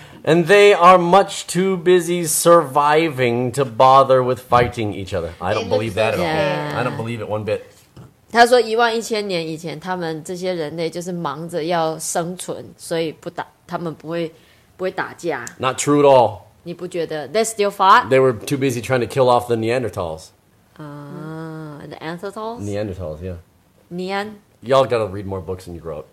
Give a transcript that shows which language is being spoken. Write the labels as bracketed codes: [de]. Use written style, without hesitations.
[en] And they are much too busy surviving to bother with fighting each other I don't believe that at all、 yeah. I don't believe it one bit [zh] 他说一万一千年以前他们这些人类就是忙着要生存所以他们不会打架 [en] Not true at all. [zh] 你不觉得 [en] They still fought? They were too busy trying to kill off the Neanderthals. The Neanderthals? Neanderthals, yeah. Nean? Y'all gotta read more books when you grow up.